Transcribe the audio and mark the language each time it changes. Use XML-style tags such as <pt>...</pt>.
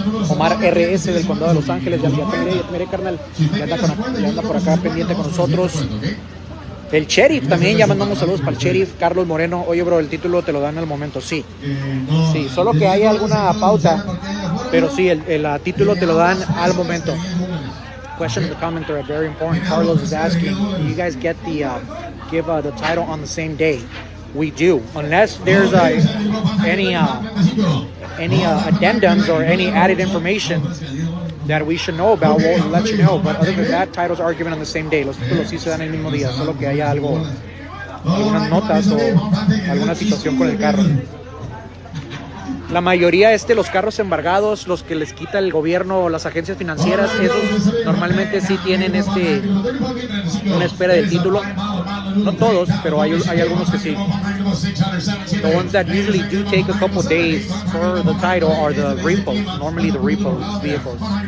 <es>Omar RS del Condado de Los Ángeles, ya mire, carnal, ya anda por acá pendiente con nosotros. El Sheriff también, ya mandamos saludos para el Sheriff Carlos Moreno. Oye, bro, el título te lo dan al momento, sí. Sí, solo que hay alguna pauta, pero sí, el título te lo dan al momento.</es> <en>Question in the comment thread, very important. Carlos is asking, do you guys get the give the title on the same day? We do, unless there's any addendums or any added information that we should know about, we'll let you know. But other than that, titles are given on the same day.</en> <es>Los títulos sí se dan el mismo día, solo que haya algo, algunas notas o alguna situación con el carro. La mayoría los carros embargados, los que les quita el gobierno o las agencias financieras, esos normalmente sí tienen una espera de título. No todos, pero hay algunos que sí.</es> <en>The ones that usually do take a couple days for the title are the repos, normally the repos vehicles.</en>